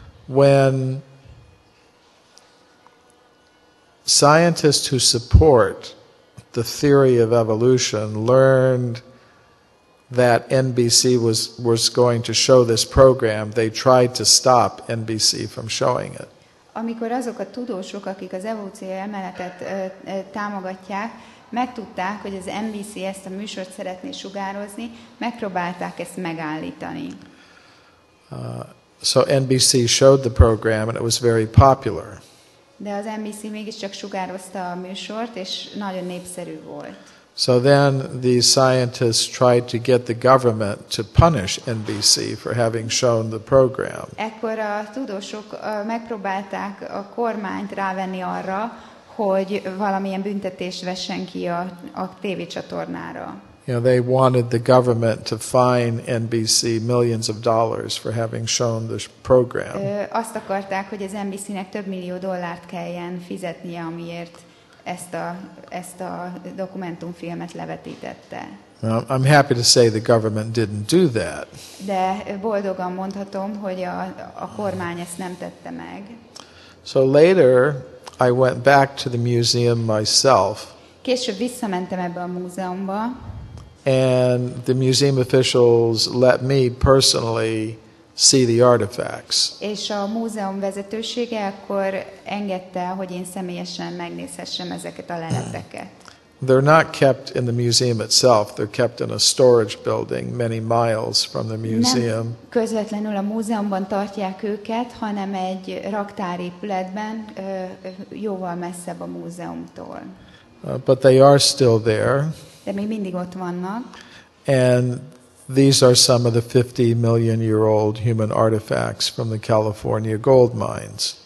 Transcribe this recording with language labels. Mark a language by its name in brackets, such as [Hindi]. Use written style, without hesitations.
[English] When scientists who support the theory of evolution learned that NBC was going to show this program, they tried to stop NBC from showing it. [Hungarian] amikor azok a tudósok, akik az evolúciói emeletet támogatják, megtudták, hogy az NBC ezt a műsort szeretné sugározni, megpróbálták ezt megállítani. [English] So NBC showed the program and it was very popular. [Hungarian] De az NBC mégiscsak sugározta a műsort, és nagyon népszerű volt. [English] So then the scientists tried to get the government to punish NBC for having shown the program. [Hungarian] Ekkor a tudósok megpróbálták a kormányt rávenni arra, hogy valamilyen büntetést vessen ki a tévécsatornára. [English] You know, they wanted the government to fine NBC millions of dollars for having shown this program. [Hungarian] Azt akarták, hogy az NBC-nek több millió dollárt kelljen fizetnie, amiért ezt a dokumentumfilmet levetítette. [English] I'm happy to say the government didn't do that. [Hungarian] De boldogan mondhatom, hogy a kormány ezt nem tette meg. [English] So later I went back to the museum myself. [Hungarian] Később visszamentem ebbe a múzeumba. [English] And the museum officials let me personally see the artifacts. [Hungarian] És a múzeum vezetősége akkor engedte, hogy én személyesen megnézhessem ezeket a leleteket. [English] They're not kept in the museum itself. They're kept in a storage building many miles from the museum. [Hungarian] Nem közvetlenül a múzeumban tartják őket, hanem egy raktárépületben, jóval messzebb a múzeumtól. [English] But they are still there. [Hungarian] De még mindig ott vannak. [English] And these are some of the 50 million year old human artifacts from the California gold mines.